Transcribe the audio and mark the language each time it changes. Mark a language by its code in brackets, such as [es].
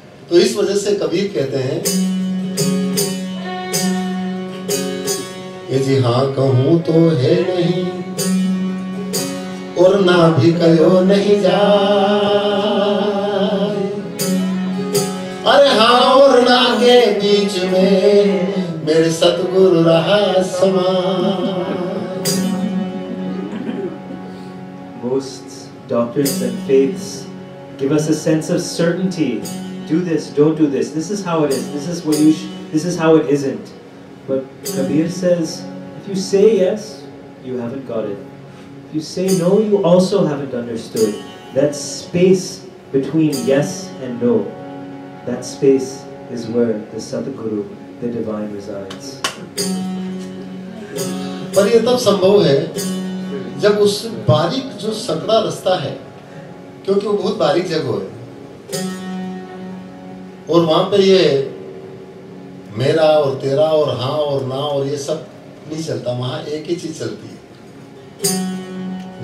[hi] तो इस वजह से कबीर कहते हैं, ये जी हाँ कहूं तो है नहीं और ना भी कहो नहीं जाए, हर हावर नागे बीच में मेरे सतगुरु रहा समान. [en] Most doctors and faiths give us a sense of certainty. Do this, don't do this. This is how it is. This is what you. This is how it isn't. But Kabir says, if you say yes, you haven't got it. If you say no, you also haven't understood. That space between yes and no, that space is where the Satguru, the Divine, resides. But it is possible [hi] जब उस बारीक जो सकड़ा रास्ता है, क्योंकि वो बहुत बारीक जगह है, और वहाँ पे ये मेरा और तेरा और हाँ और ना और ये सब नहीं चलता, वहाँ एक ही चीज चलती है.